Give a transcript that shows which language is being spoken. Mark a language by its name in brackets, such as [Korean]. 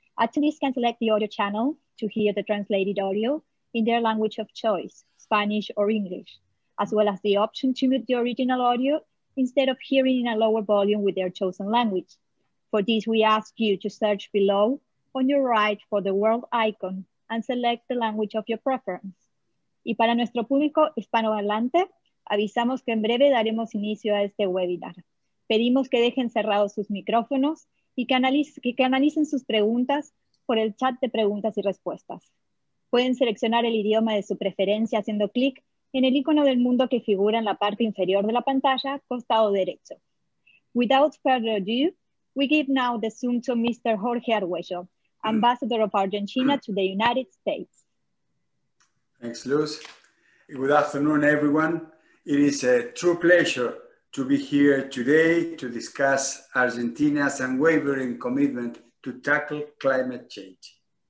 [English] Attendees can select the audio channel to hear the translated audio in their language of choice, Spanish or English, as well as the option to mute the original audio instead of hearing in a lower volume with their chosen language. For this, we ask you to search below on your right for the world icon and select the language of your preference. [Spanish] Y para nuestro público hispanohablante, avisamos que en breve daremos inicio a este webinar. Pedimos que dejen cerrados sus micrófonos y que canalicen sus preguntas por el chat de preguntas y respuestas. Pueden seleccionar el idioma de su preferencia haciendo clic en el icono del mundo que figura en la parte inferior de la pantalla, costado derecho. [English] Without further ado, we give now the Zoom to Mr. Jorge Argüello, Ambassador of Argentina to the United States. Thanks, Luz. Good afternoon, everyone. It is a true pleasure to be here today to discuss Argentina's unwavering commitment to tackle climate change.